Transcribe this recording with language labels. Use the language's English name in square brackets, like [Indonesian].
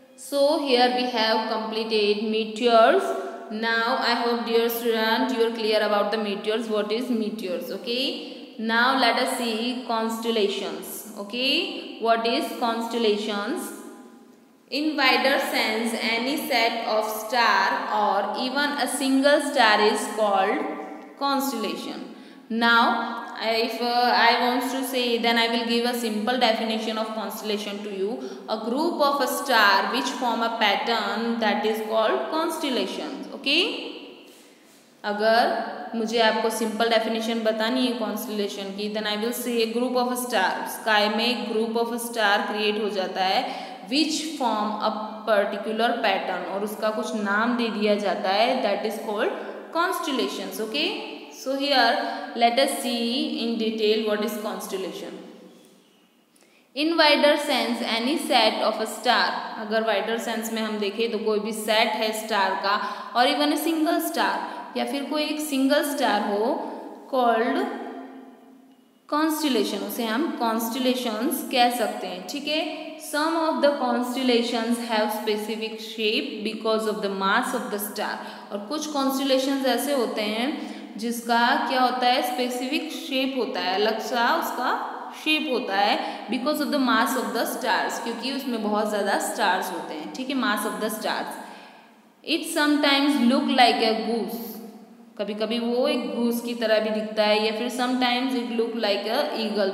[English] So here we have completed meteors, now I hope dear student you are clear about the meteors, what is meteors, okay. Now let us see constellations, okay, what is constellations. In wider sense any set of star और even a single star is called constellation. Now If I want to say, then I will give a simple definition of constellation to you. A group of a star which form a pattern that is called constellation. Okay? [Hindi] अगर मुझे आपको simple definition बतानी है constellation की, [English] then I will say group of a star. Sky में group of a star create हो जाता है which form a particular pattern [Hindi] और उसका कुछ नाम दे दिया जाता है, [English] that is called constellations. Okay, so here let us see in detail what is constellation. In wider sense, any set of a star. [Hindi] अगर wider sense में हम देखें तो कोई भी set है star का [English] और even a single star [Hindi] या फिर कोई एक [English] single star हो called constellation. [Hindi] उसे हम constellations कह सकते हैं. ठीक है. [English] Some of the constellations have specific shape because of the mass of the star. [Hindi] और कुछ constellations ऐसे होते हैं जिसका क्या होता है specific shape होता है, अलग सा उसका शेप होता है [English] because of the mass of the stars, [Hindi] क्योंकि उसमें बहुत ज़्यादा स्टार्स होते हैं. ठीक है. [English] Mass of the stars. It sometimes look like a goose. [Hindi] कभी कभी वो एक गूस की तरह भी दिखता है या फिर [English] Sometimes it look like a eagle.